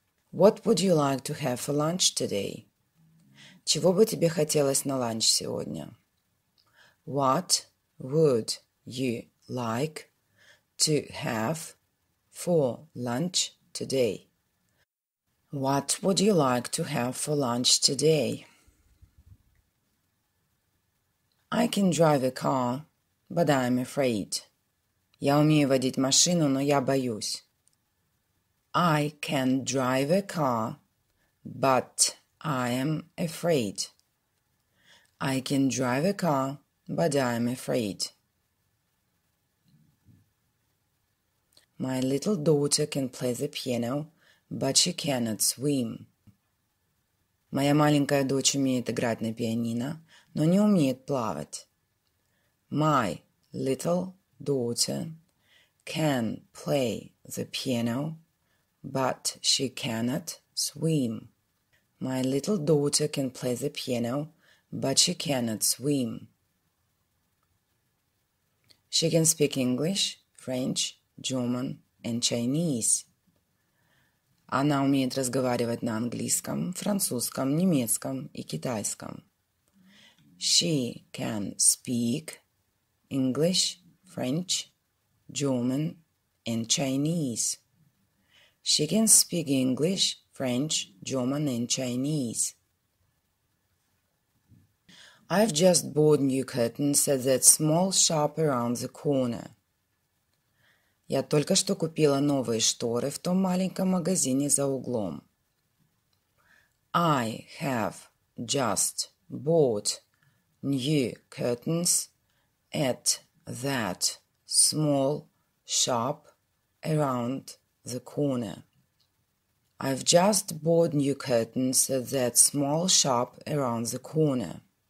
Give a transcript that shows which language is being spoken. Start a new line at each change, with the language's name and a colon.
English: What would you like to have for lunch today?
Russian: Чего бы тебе хотелось на ланч сегодня?
English: What would you like to have for lunch today? What would you like to have for lunch today? I can drive a car, but I'm afraid.
Russian: Я умею водить машину, но я боюсь.
English: I can drive a car, but I am afraid. I can drive a car, but I'm afraid. My little daughter can play the piano, but she cannot swim.
Russian: Моя маленькая дочь умеет играть на пианино, но не умеет плавать.
English: My little daughter can play the piano, but she cannot swim. My little daughter can play the piano, but she cannot swim. She can speak English, French, German, and Chinese.
Russian: Она умеет разговаривать на английском, французском, немецком и китайском.
English: She can speak English, French, German, and Chinese. She can speak English, French, German, and Chinese. I've just bought new curtains at that small shop around the corner.
Russian: Я только что купила новые шторы в том маленьком магазине за углом.
English: I have just bought new curtains at that small shop around the corner. I've just bought new curtains at that small shop around the corner.